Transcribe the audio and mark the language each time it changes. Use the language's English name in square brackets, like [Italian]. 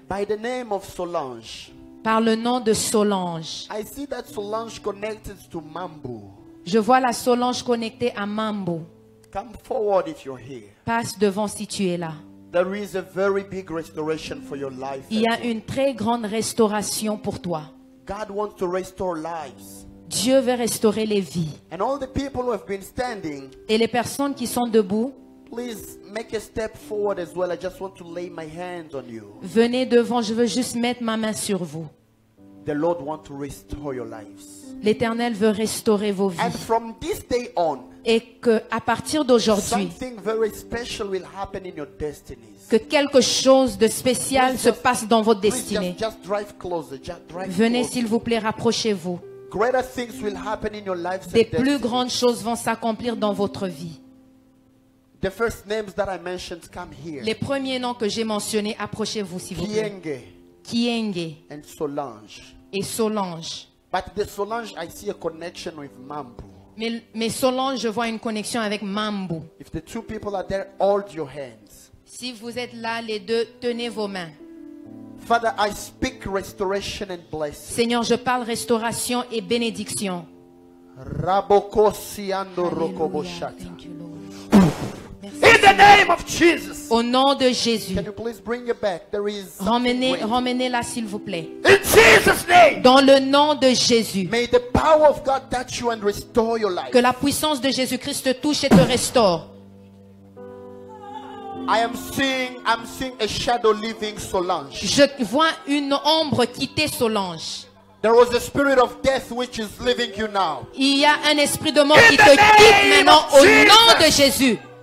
[English] By the name of Solange. [French] Par le nom de Solange. [English] I see that Solange connected to Mambo. [French] Je vois la Solange connectée à Mambo. [English] Come forward if you're here. [French] Passe devant si tu es là. [English] There is a very big restoration for your life. [French] Il y a une très grande restauration pour toi. [English] God wants to restore lives. [French] Dieu veut restaurer les vies. [English] And all the people who have been standing, [French] et les personnes qui sont debout, [English] please make a step forward as well. I just want to lay my hands on you. [French] Venez devant, je veux juste mettre ma main sur vous. [English] The Lord wants to restore your lives. [French] L'Éternel veut restaurer vos vies. [English] And from this day on, [French] et qu'à partir d'aujourd'hui, [English] something very special will happen in your destinies. [French] Que quelque chose de spécial se passe dans votre destinée. [English] Just drive closer, just drive [French] venez [English] closer. [French] S'il vous plaît, rapprochez-vous. [English] Greater things will happen in your lives. [French] Des plus grandes choses vont s'accomplir dans votre vie. [English] The first names that I mentioned come here. [French] Les premiers noms que j'ai mentionnés, approchez-vous s'il vous plaît. [English] Kienge. [French] Kienge. [English] And Solange. [French] Et Solange. [English] But the Solange, I see a connection with Mambo. [French] Mais Solange, je vois une connexion avec Mambo. [English] If the two people are there, hold your hands. [French] Si vous êtes là, les deux, tenez vos mains. [English] Father, I speak restoration and blessing. [French] Seigneur, je parle restauration et bénédiction. Raboko siando rokoboshata. [English] Thank you, Lord. In the name of Jesus. [French] Au nom de Jésus. [English] Can you please bring it back? There is [French] ramenez-la s'il vous plaît. [English] In Jesus name. [French] Dans le nom de Jésus. [English] May the power of God touch you and restore your life. [French] Que la puissance de Jésus-Christ te touche et te restaure. [English] I'm seeing a shadow leaving Solange. [French] Je vois une ombre quitter Solange. [English] There was a spirit of death which is leaving you now. [French] Il y a un esprit de mort qui te quitte maintenant au nom de Jésus.